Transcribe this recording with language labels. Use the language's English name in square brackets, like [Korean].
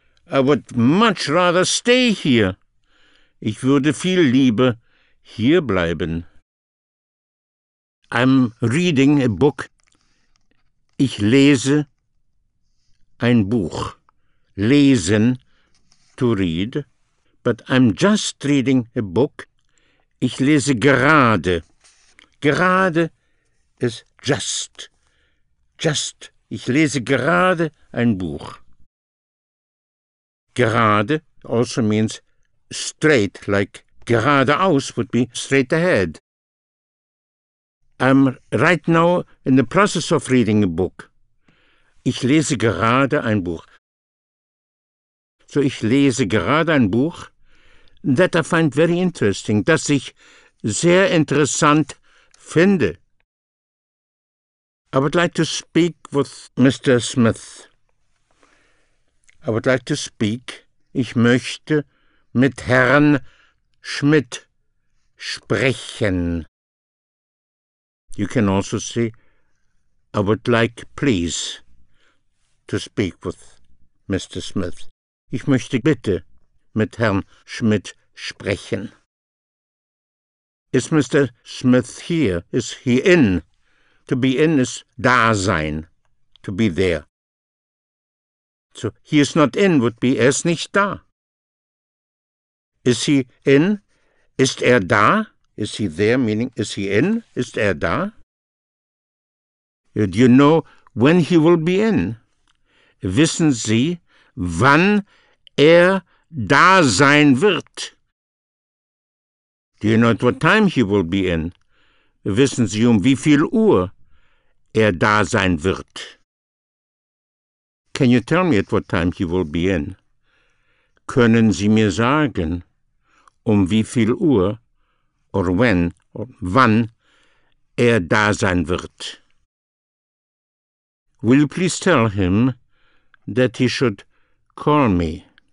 [English] I would much rather stay here. [German] Ich würde viel lieber hier bleiben. [English] I'm reading a book. [German] Ich lese ein Buch. [English] Lesen, to read. But I'm just reading a book. [German] Ich lese gerade. Gerade [English] is just. Just. [German] Ich lese gerade ein Buch. [English] Gerade also means straight, like geradeaus would be straight ahead. I'm right now in the process of reading a book. [German] Ich lese gerade ein Buch. So ich lese gerade ein Buch [English] that I find very interesting, [German] das ich sehr interessant finde. [English] I would like to speak with Mr. Smith. I would like to speak. [German] Ich möchte mit Herrn Schmidt sprechen. [English] You can also say, I would like, please, to speak with Mr. Smith. [German] Ich möchte bitte mit Herrn Schmidt sprechen. [English] Is Mr. Smith here? Is he in? To be in is da sein, to be there. So, he is not in would be, [German] er ist nicht da. [English] Is he in? [German] Ist er da? [English] Is he there, meaning is he in? [German] Ist er da? [English] Do you know when he will be in? [German] Wissen Sie, wann er da sein wird? [English] Do you know at what time he will be in? [German] Wissen Sie, um wie viel Uhr er da sein wird? [English] Can you tell me at what time he will be in? [German] Können Sie mir sagen, um wie viel Uhr, [English] or when, or [German] wann, er da sein wird? [English] Will you please tell him that he should call me?